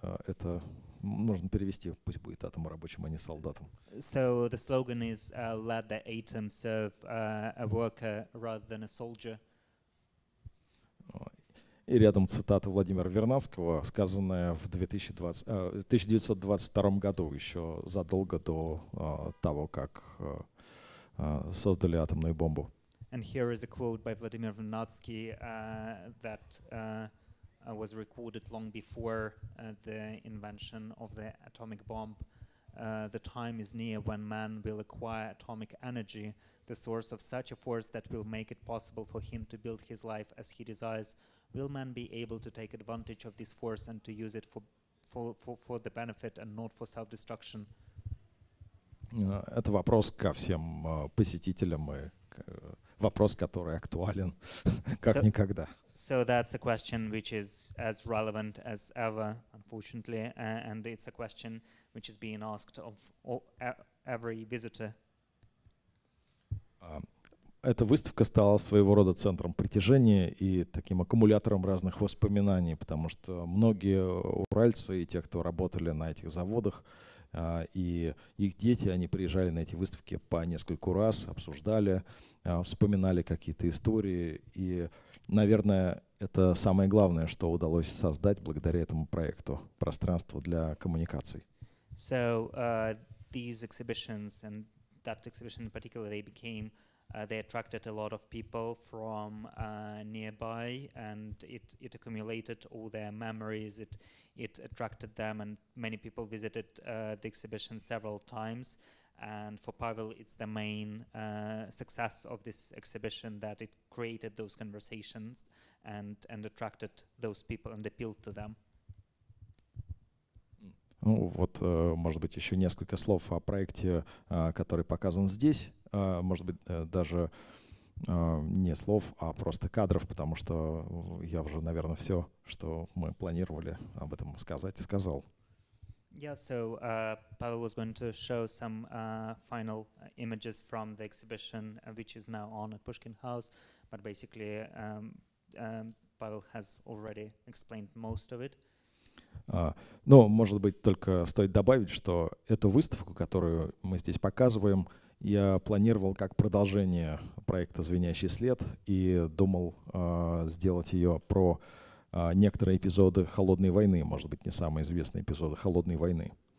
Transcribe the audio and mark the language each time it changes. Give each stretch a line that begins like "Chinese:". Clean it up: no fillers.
Russian: Это можно перевести: пусть будет атом рабочим, а не солдатом.
English: So the slogan is let the atom serve a worker rather than a soldier.
Russian: И рядом цитата Владимира Вернадского, сказанная в 1922 году, еще задолго до того, как создали атомную бомбу.
English: And here is a quote by Vladimir Vernadsky that was recorded long before the invention of the atomic bomb. The time is near when man will acquire atomic energy, the source of such a force that will make it possible for him to build his life as he desires. Will man be able to take advantage of this force and to use it for the benefit and not for self-destruction?
Russian: Это вопрос ко всем посетителям, и вопрос, который актуален как никогда.
English: So that's a question which is as relevant as ever, unfortunately, and it's a question which is being asked of every visitor.
Russian: Эта выставка стала своего рода центром притяжения и таким аккумулятором разных воспоминаний, потому что многие уральцы и те, кто работали на этих заводах, и их дети, они приезжали на эти выставки по нескольку раз, обсуждали, вспоминали какие-то истории. И, наверное, это самое главное, что удалось создать благодаря этому проекту – пространство для коммуникаций.
English: So, these exhibitions, and that exhibition in particular, they became, they attracted a lot of people from nearby, and it accumulated all their memories, it attracted them, and many people visited the exhibition several times. And for Pavel, it's the main success of this exhibition, that it created those conversations and attracted those people and appealed to them.
Russian: Ну вот, может быть, еще несколько слов о проекте, который показан здесь. Может быть, даже не слов, а просто кадров, потому что я уже, наверное, все, что мы планировали об этом сказать, сказал.
English: Yeah, so Pavel was going to show some final images from the exhibition, which is now on at Pushkin House, but basically Pavel has already explained most of it.
Russian: Ну, может быть, только стоит добавить, что эту выставку, которую мы здесь показываем, я планировал как продолжение проекта «Звенящий след» и думал сделать ее про некоторые эпизоды «Холодной войны», может быть, не самые известные эпизоды «Холодной войны».